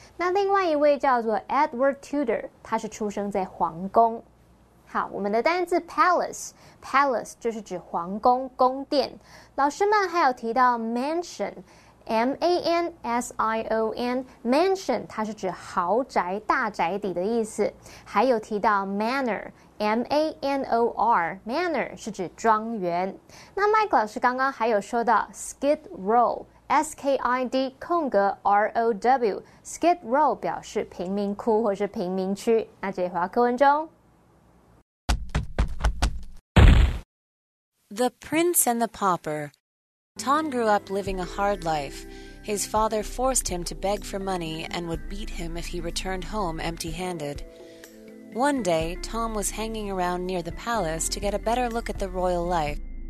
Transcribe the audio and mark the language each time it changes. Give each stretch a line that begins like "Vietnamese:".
Chinese: 那另外一位叫做 Edward Tudor， 他是出生在皇宫。好，我们的单字 palace 就是指皇宫、宫殿。老师们还有提到 mansion， M-A-N-S-I-O-N， mansion 它是指豪宅、大宅邸的意思。还有提到 manor。 M-A-N-O-R, manor 是指庄园。那 Mike 老师刚刚还有说到 Skid Row, S-K-I-D 空格 R-O-W, Skid Row 表示贫民窟或是贫民区。那这回到课文中。
English: The Prince and the Pauper. Tom grew up living a hard life. His father forced him to beg for money and would beat him if he returned home empty-handed. One day, Tom was hanging around near the palace to get a better look at the royal life.